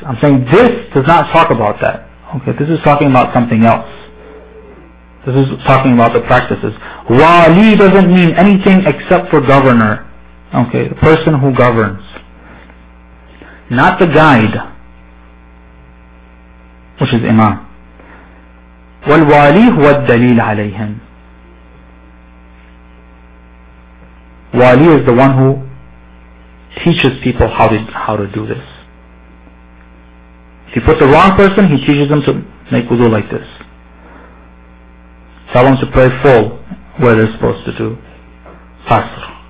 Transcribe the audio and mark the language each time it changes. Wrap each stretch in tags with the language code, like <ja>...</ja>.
<en>I'm saying this does not talk about that. Okay, this is talking about something else. This is talking about the practices. Wali doesn't mean anything except for governor. Okay, the person who governs. Not the guide, which is imam.</en> <ar>والوالي هو الدليل عليهم.</ar> <en>Wali is the one who teaches people how to do this. If you put the wrong person, he teaches them to make wudu like this. Tell them to pray full where they're supposed to do fasr.</en>